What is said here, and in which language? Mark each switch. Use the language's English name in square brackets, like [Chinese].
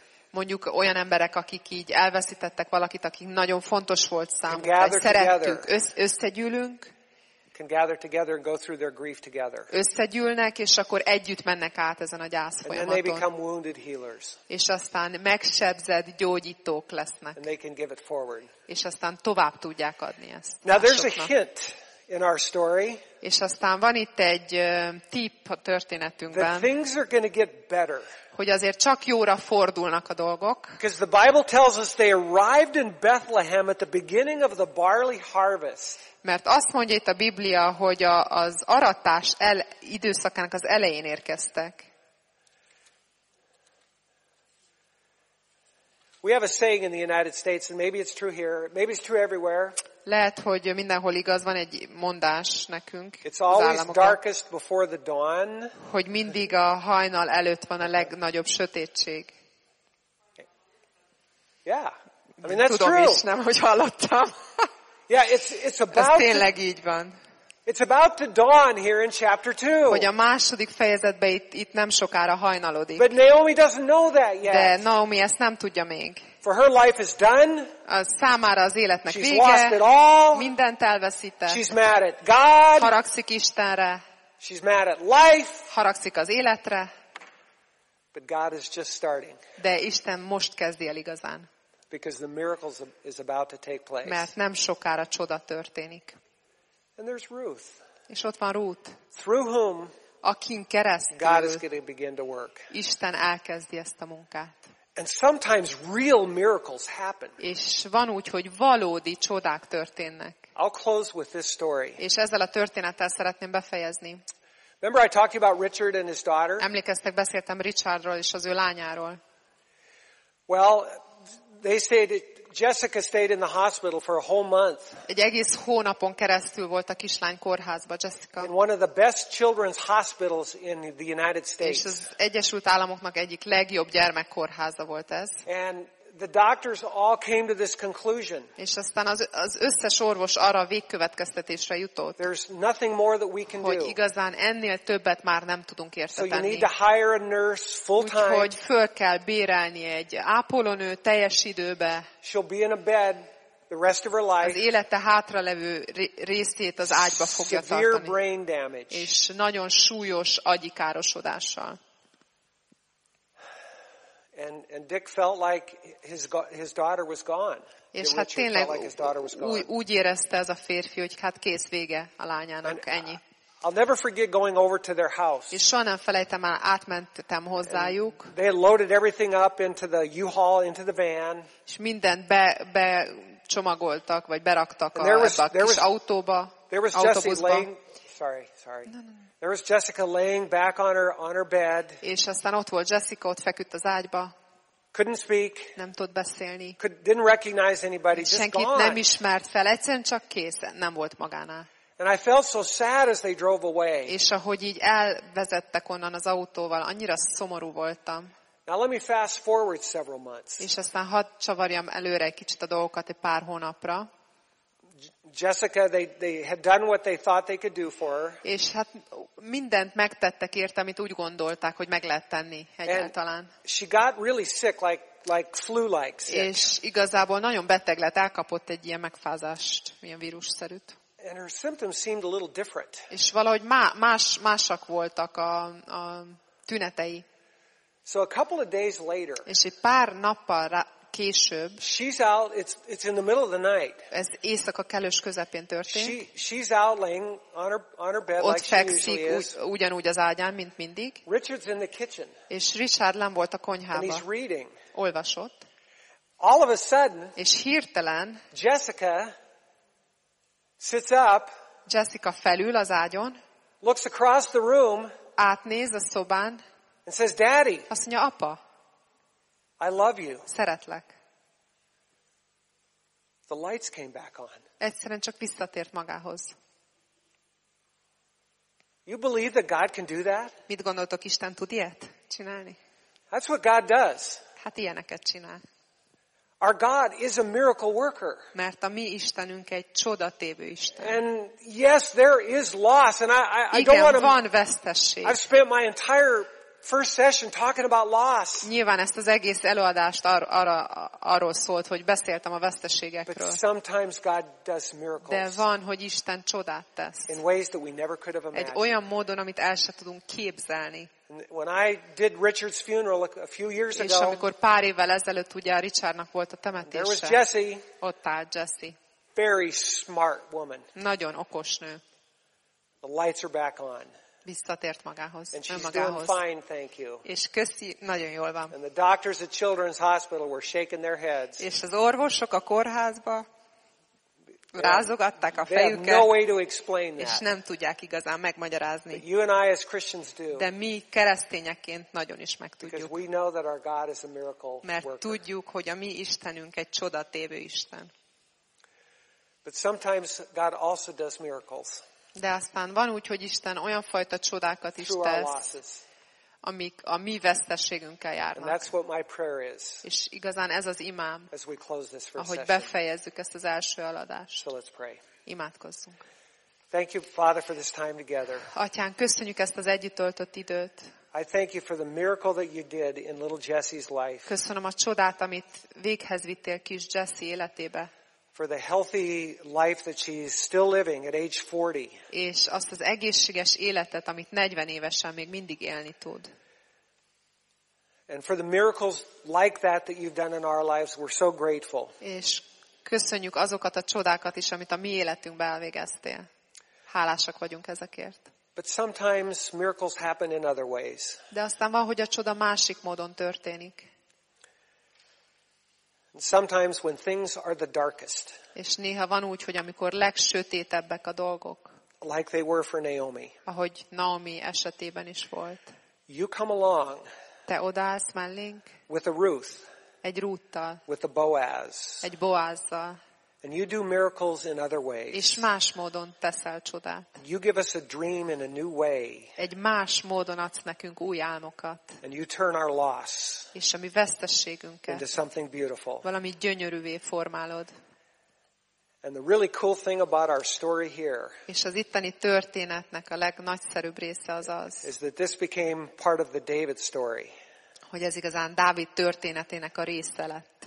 [Hungarian] Mondjuk olyan emberek, akik így elveszítettek valakit, akik nagyon fontos volt számunkra, vagy szerettük, összegyűlünk. [English] Can gather together and go through their grief together. [Hungarian] Összegyűlnek, és akkor együtt mennek át ezen a gyász folyamaton. [English] And then they become wounded healers. [Hungarian] És aztán megsebzett gyógyítók lesznek. [English] And they can give it forward. [Hungarian] És aztán tovább tudják adni ezt. [English] Now there's a hint in our story. [Hungarian] És aztán van itt egy tipp a történetünkben. [English] That things are going to get better. [Hungarian] Hogy azért csak jóra fordulnak a dolgok. [English] Because the Bible tells us they arrived in Bethlehem at the beginning of the barley harvest. [Hungarian] Mert azt mondja itt a Biblia, hogy az aratás időszakának az elején érkeztek. [English] We have a saying in the United States, and maybe it's true here, maybe it's true everywhere. [Hungarian] Lehet, hogy mindenhol igaz, van egy mondás nekünk. [English] It's always darkest before the dawn. [Hungarian] Hogy mindig a hajnal előtt van a legnagyobb sötétség. [English] Yeah, I mean that's [Hungarian] tudom [English] true. [Hungarian] Is, nem, hogy hallottam. [English] Yeah, it's about. [Hungarian] Ez tényleg így van. [English] It's about to dawn here in chapter 2. [Hungarian] Hogy a második fejezetben itt nem sokára hajnalodik. [English] But Naomi doesn't know that yet. [Hungarian] De Naomi ezt nem tudja még. [English] For her life is done. [Hungarian] A számára az életnek [English] she's [Hungarian] vége. [English] She's lost it all. [Hungarian] Mindent elveszített. [English] She's mad at God. [Hungarian] Haragszik Istenre. [English] She's mad at life. [Hungarian] Haragszik az életre. [English] But God is just starting. [Hungarian] De Isten most kezdi el igazán. [English] Because the miracle is about to take place. [Hungarian] Mert nem sokára csoda történik. [English] And there's Ruth. [Hungarian] És ott van Ruth. [English] Through whom? [Hungarian] Akin keresztül. [English] God is going to begin to work. [Hungarian] Isten elkezdi ezt a munkát. [English] And sometimes real miracles happen. [Hungarian] És van úgy, hogy valódi csodák történnek. [English] I'll close with this story. [Hungarian] És ezzel a történettel szeretném befejezni. [English] Remember I talked about Richard and his daughter? [Hungarian] Emlékeztek, beszéltem Richardról és az ő lányáról. [English] Well, they stayed. Jessica stayed in the hospital for a whole month. [Hungarian] Egy egész hónapon keresztül volt a kislány kórházba, Jessica. [English] In one of the best children's hospitals in the United States. [Hungarian] És az Egyesült Államoknak egyik legjobb gyermekkórháza volt ez. [English] And the doctors all came to this conclusion. [Hungarian] És aztán az összes orvos arra a végkövetkeztetésre jutott. [English] There's nothing more that we can do. [Hungarian] Hogy igazán ennél többet már nem tudunk érte tenni. [English] So you need to hire a nurse full time. [Hungarian] Úgyhogy föl kell bérelni egy ápolónő teljes időbe. [English] She'll be in a bed the rest of her life. [Hungarian] Az élete hátra levő részét az ágyba fogja tartani. [English] Severe brain damage. [Hungarian] És nagyon súlyos agyi károsodással. [English] And Dick felt like his daughter was gone. [Hungarian] És hát tényleg úgy érezte ez a férfi, hogy hát kész, vége a lányának, ennyi. [English] I'll never forget going over to their house. [Hungarian] És soha nem felejtem el, átmentem hozzájuk. [English] And they had loaded everything up into the U-Haul, into the van. [Hungarian] És mindent becsomagoltak, vagy beraktak a kis autóba, autóbuszba. [English] Sorry. No. There was Jessica laying back on her bed. [Hungarian] És aztán ott volt Jessica, ott feküdt az ágyba. [English] Couldn't speak. [Hungarian] Nem tud beszélni. [English] Didn't recognize anybody. Just gone. [Hungarian] Senkit nem ismert fel. Egyszerűen csak kész, nem volt magánál. [English] And I felt so sad as they drove away. [Hungarian] És ahogy így elvezettek onnan az autóval, annyira szomorú voltam. [English] Now let me fast forward several months. [Hungarian] És aztán hadd csavarjam előre egy kicsit a dolgokat egy pár hónapra. [English] Jessica, they had done what they thought they could do for her. [Hungarian] És hát mindent megtettek érte, amit úgy gondolták, hogy meg lehet tenni egyáltalán. [English] She got really sick, like flu-like sick. [Hungarian] És igazából nagyon beteg lett, elkapott egy ilyen megfázást, ilyen vírusszerűt. [English] And her symptoms seemed a little different. [Hungarian] És valahogy másak voltak a tünetei. [English] So a couple of days later. [Hungarian] És egy pár nappal később. [English] She's out, it's in the middle of the night. [Hungarian] Ez éjszaka kellős közepén történt. [English] She's out laying on her bed. [Hungarian] Ott [English] like [Hungarian] fekszik, [English] she usually is. [Hungarian] Ugyanúgy az ágyán, mint mindig. [English] Richard's in the kitchen. [Hungarian] És Richard lent volt a konyhában. [English] And he's reading. [Hungarian] Olvasott. [English] All of a sudden, [Hungarian] és hirtelen [English] Jessica sits up. [Hungarian] Jessica felül az ágyon. [English] Looks across the room. [Hungarian] Átnéz a szobán. [English] And says, Daddy. [Hungarian] Azt mondja, apa. [English] I love you. [Hungarian] Szeretlek. [English] The lights came back on. [Hungarian] Egyszerűen csak visszatért magához. [English] You believe that God can do that? [Hungarian] Mit gondoltok, Isten tud ilyet csinálni? [English] That's what God does. [Hungarian] Hát ilyeneket csinál. [English] Our God is a miracle worker. [Hungarian] Mert a mi Istenünk egy csodatévő Isten. [English] And yes, there is loss, and I [Hungarian] igen, [English] don't want to. [Hungarian] Vesztesség. [English] I've spent my entire first session talking about loss. [Hungarian] Nyilván ezt az egész előadást arról szólt, hogy beszéltem a veszteségekről. [English] But sometimes God does miracles. [Hungarian] De van, hogy Isten csodát tesz. [English] In ways that we never could have imagined. [Hungarian] Egy olyan módon, amit el sem tudunk képzelni. [English] When I did Richard's funeral a few years ago. [Hungarian] És amikor pár évvel ezelőtt ugye a Richardnak volt a temetése. [English] There was Jesse. [Hungarian] Ott állt Jesse. [English] Very smart woman. [Hungarian] Nagyon okos nő. [English] The lights are back on. [Hungarian] Visszatért magához. [English] And she's doing fine, thank you. [Hungarian] És köszi, nagyon jól van. [English] And the doctors at Children's Hospital were shaking their heads. [Hungarian] És az orvosok a kórházba rázogatták a fejüket. [English] They have no way to explain that. [Hungarian] És nem tudják igazán megmagyarázni. [English] But you and I as Christians do. [Hungarian] De mi keresztényekként nagyon is megtudjuk. [English] Because we know that our God is a miracle worker. [Hungarian] Mert tudjuk, hogy a mi Istenünk egy csodatévő Isten. [English] But sometimes God also does miracles. [Hungarian] De aztán van úgy, hogy Isten olyan fajta csodákat is tesz, amik a mi vesztességünkkel járnak. [English] And that's what my prayer is, [Hungarian] és igazán ez az imám, [English] as we close this first [Hungarian] ahogy [English] session. [Hungarian] Befejezzük ezt az első eladást. [English] So let's pray. [Hungarian] Imádkozzunk. [English] Thank you, Father, for this time together. [Hungarian] Atyán, köszönjük ezt az együtt töltött időt. [English] I thank you for the miracle that you did in little Jesse's life. [Hungarian] Köszönöm a csodát, amit véghez vittél kis Jesse életébe. [English] For the healthy life that she's still living at age 40. [Hungarian] És azt az egészséges életet, amit 40 évesen még mindig élni tud. [English] And for the miracles like that that you've done in our lives, we're so grateful. [Hungarian] És köszönjük azokat a csodákat is, amit a mi életünkben elvégeztél. Hálásak vagyunk ezekért. [English] But sometimes miracles happen in other ways. [Hungarian] De aztán van, hogy a csoda másik módon történik. [English] Sometimes when things are the darkest. [Hungarian] És néha van úgy, hogy amikor legsötétebbek a dolgok. [English] Like they were for Naomi. [Hungarian] Ahogy Naomi esetében is volt. [English] You come along. [Hungarian] Te odaállsz mellénk. [English] With a Ruth. [Hungarian] Egy Ruth-tal. [English] With a Boaz. [Hungarian] Egy Boaz-zal. [English] And you do miracles in other ways. [Hungarian] És más módon teszel csodát. [English] You give us a dream in a new way. [Hungarian] Egy más módon adsz nekünk új álmokat. [English] And you turn our loss. [Hungarian] És a mi vesztességünket. [English] Into something beautiful. [Hungarian] Valami gyönyörűvé formálod. [English] And the really cool thing about our story here. [Hungarian] És az itteni történetnek a legnagyszerűbb része az az. [English] Is that this became part of the David story. [Hungarian] Hogy ez igazán Dávid történetének a része lett.